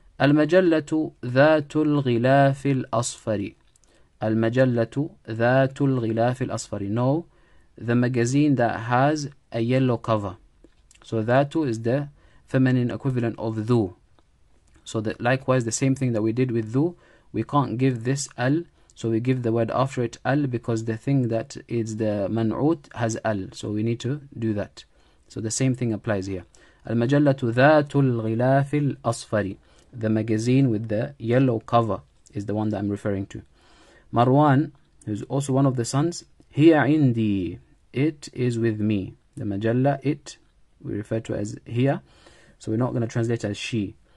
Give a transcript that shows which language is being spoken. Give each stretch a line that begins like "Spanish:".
Arabic: المجلّة ذات الغلاف الأصفري. المجلّة ذات الغلاف الأصفري.
English: No. The magazine that has a yellow cover. So that is the feminine equivalent of ذو. So that likewise the same thing that we did with ذو, we can't give this أل, so we give the word after it أل, because the thing that is the منعوت has أل, so we need to do that. So the same thing applies here.
Arabic: المجلة ذات الغلاف الأصفري.
English: The magazine with the yellow cover is the one that I'm referring to. Marwan, who's also one of the sons,
Arabic: هي عندي.
English: It is with me. The مجلة, it, we refer to as here. So we're not going to translate as she.